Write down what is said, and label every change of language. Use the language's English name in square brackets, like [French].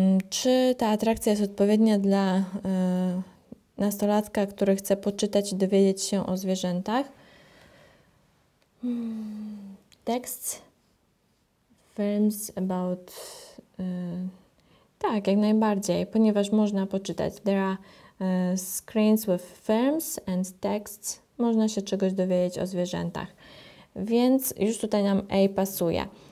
[Polish] Czy ta atrakcja jest odpowiednia dla nastolatka, który chce poczytać i dowiedzieć się o zwierzętach? [English] Tekst. Films about... [Polish] Tak, jak najbardziej, ponieważ można poczytać. [English] There are screens with films and texts. [Polish] Można się czegoś dowiedzieć o zwierzętach. Więc już tutaj nam A pasuje.